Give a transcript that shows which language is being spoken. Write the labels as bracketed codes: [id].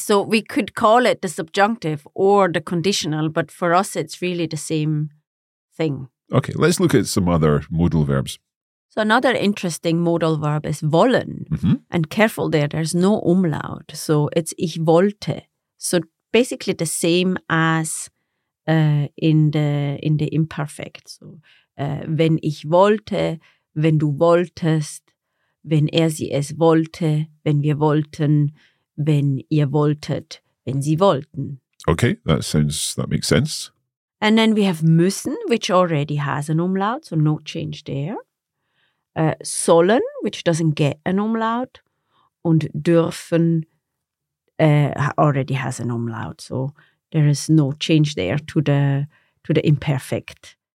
[en] So we could call it the subjunctive or the conditional, but for us it's really the same thing. Okay. Let's look at some other modal verbs. So another interesting modal verb is wollen. Mm-hmm. And careful there's no umlaut. So it's [de] ich wollte. [en] So basically the same as in the imperfect. [de] So, wenn ich wollte, wenn du wolltest, wenn er sie es wollte, wenn wir wollten, wenn ihr wolltet, wenn sie wollten. [en] Okay, that makes sense. And then we have müssen, which already has an umlaut, so no change there. Sollen, which doesn't get an umlaut. Und dürfen already has an umlaut, so there is no change there to the imperfect.